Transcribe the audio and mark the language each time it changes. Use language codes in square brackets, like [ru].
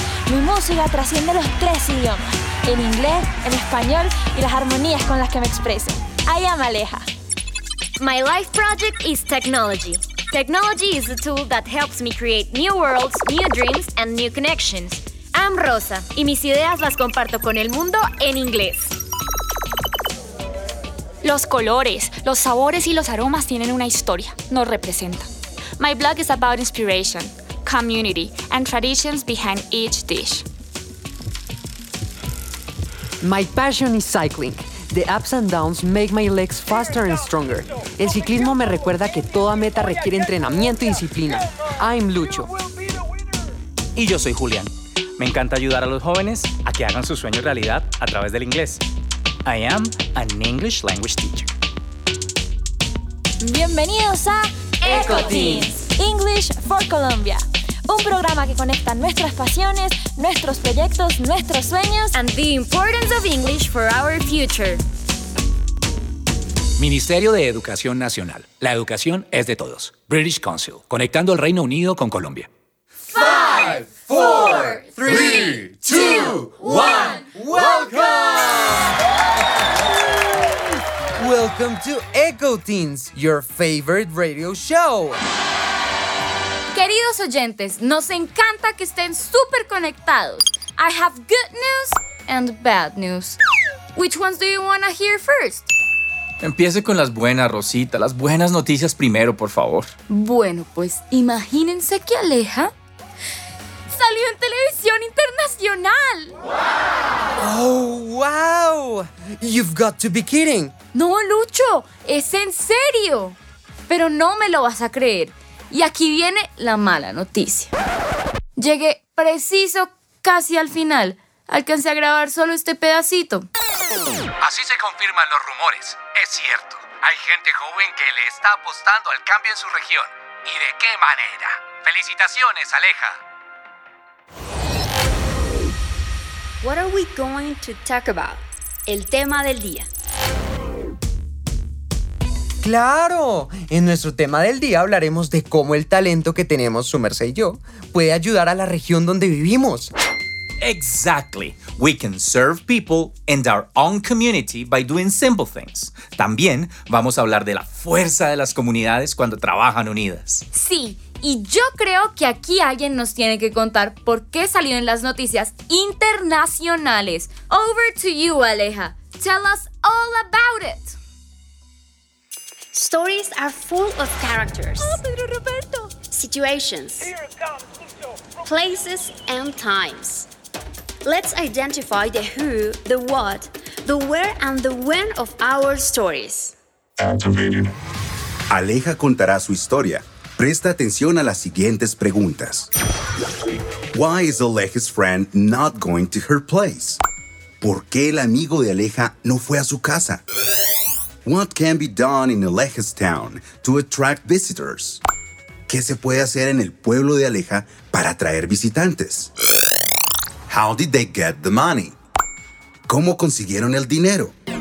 [es] Mi música trasciende los tres idiomas, el inglés, el español y las armonías con las que me expreso. [en] I am Aleja. My life project is technology. Technology is a tool that helps me create new worlds, new dreams, and new connections. I'm Rosa, [es] y mis ideas las comparto con el mundo en inglés. Los colores, los sabores y los aromas tienen una historia, nos representan. [en] My blog is about inspiration, community, and traditions behind each dish. My passion is cycling. The ups and downs make my legs faster and stronger. [es] El ciclismo me recuerda que toda meta requiere entrenamiento y disciplina. [en] I'm Lucho. [es] Y yo soy Julián. Me encanta ayudar a los jóvenes a que hagan su sueño realidad a través del inglés. [en] I am an English language teacher. [es] Bienvenidos a [en] EcoTeens, English for Colombia. [es] Un programa que conecta nuestras pasiones, nuestros proyectos, nuestros sueños [en] and the importance of English for our future. [es] Ministerio de Educación Nacional. La educación es de todos. British Council. Conectando el Reino Unido con Colombia. [en] 5, 4, 3, 2, 1. Welcome! Welcome to EcoTeens, your favorite radio show. [es] Queridos oyentes, nos encanta que estén súper conectados. [en] I have good news and bad news. Which ones do you want to hear first? [es] Empiece con las buenas, Rosita. Las buenas noticias primero, por favor. Bueno, pues imagínense que Aleja salió en televisión internacional. [en] ¡Oh, wow! You've got to be kidding. [es] No, Lucho, es en serio. Pero no me lo vas a creer. Y aquí viene la mala noticia. Llegué preciso casi al final. Alcancé a grabar solo este pedacito. Así se confirman los rumores. Es cierto. Hay gente joven que le está apostando al cambio en su región. ¿Y de qué manera? ¡Felicitaciones, Aleja! [en] What are we going to talk about? [es] El tema del día. ¡Claro! En nuestro tema del día hablaremos de cómo el talento que tenemos, su merced y yo, puede ayudar a la región donde vivimos. [en] Exactly. We can serve people and our own community by doing simple things. [es] También vamos a hablar de la fuerza de las comunidades cuando trabajan unidas. Sí, y yo creo que aquí alguien nos tiene que contar por qué salió en las noticias internacionales. [en] Over to you, Aleja. Tell us all about it. Stories are full of characters, oh, Pedro Roberto. Situations, places and times. Let's identify the who, the what, the where and the when of our stories. [es] Aleja contará su historia. Presta atención a las siguientes preguntas. [en] Why is Aleja's friend not going to her place? [es] ¿Por qué el amigo de Aleja no fue a su casa? [en] What can be done in Aleja's town to attract visitors? [es] ¿Qué se puede hacer en el pueblo de Aleja para atraer visitantes? [en] How did they get the money? [es] ¿Cómo consiguieron el dinero?